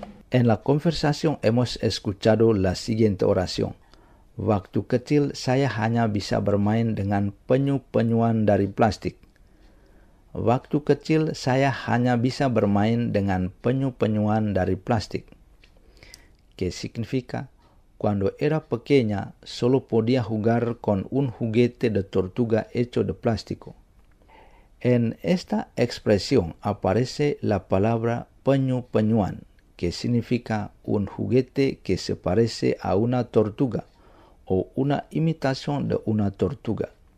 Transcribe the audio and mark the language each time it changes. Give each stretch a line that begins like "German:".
Spanish: En la conversación hemos escuchado la siguiente oración.
Indonesian: Waktu kecil saya hanya bisa bermain dengan penyu-penyuan dari plastik. Waktu kecil saya hanya bisa bermain dengan penyu-penyuan dari plastik.
Spanish: Que significa, cuando era pequeña, solo podía jugar con un juguete de tortuga hecho de plástico. En esta expresión aparece la palabra penyu-penyuan, que significa un juguete que se parece a una tortuga o una imitación de una tortuga.